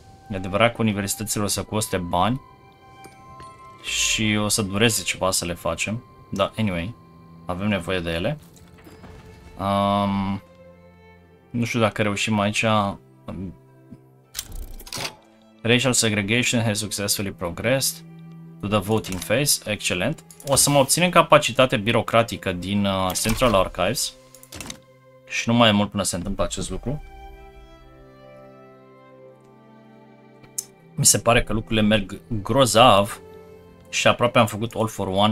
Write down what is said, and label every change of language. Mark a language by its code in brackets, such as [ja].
[ro] E adevărat că universitățile o să coste bani și o să dureze ceva să le facem. Dar anyway, avem nevoie de ele. Nu știu dacă reușim aici. [en] Racial segregation has successfully progressed to the voting phase. [ro] Excelent. O să mă obținem capacitate birocratică din Central Archives. Și nu mai e mult până se întâmplă acest lucru. Mi se pare că lucrurile merg grozav. Și aproape am făcut All for One.